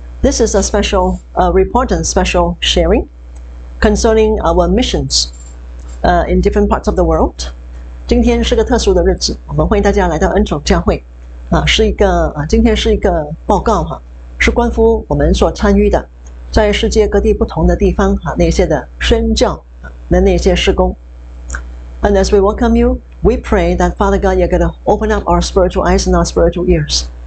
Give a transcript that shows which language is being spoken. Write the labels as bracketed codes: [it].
[en] This is a special report and special sharing concerning our missions in different parts of the world. [zh] 今天是个特殊的日子，我们欢迎大家来到恩宠教会。是一个今天是一个报告哈，是关乎我们所参与的在世界各地不同的地方那些的宣教的那些事工。 [en] And as we welcome you, we pray that Father God, you're going to open up our spiritual eyes and our spiritual ears.